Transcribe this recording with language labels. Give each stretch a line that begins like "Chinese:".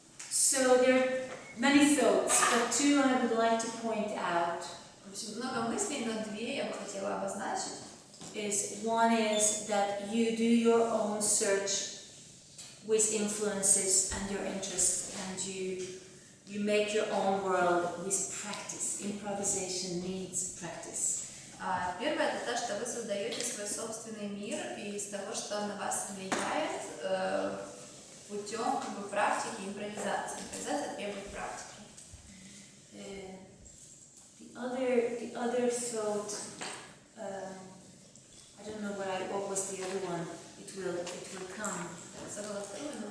English: So there are many thoughts, but two I would like to point out.
Russian: Много мыслей, но две я бы хотела обозначить.
English: Is one is that you do your own search with influences and your interests, and you make your own world with practice. Improvisation needs practice.
Russian: Первое это то, что вы создаете свой собственный мир из того, что на вас влияет путем как бы практики импровизации. Импровизация требует практики.
English: The other thought, I don't know what was the other one. It will come.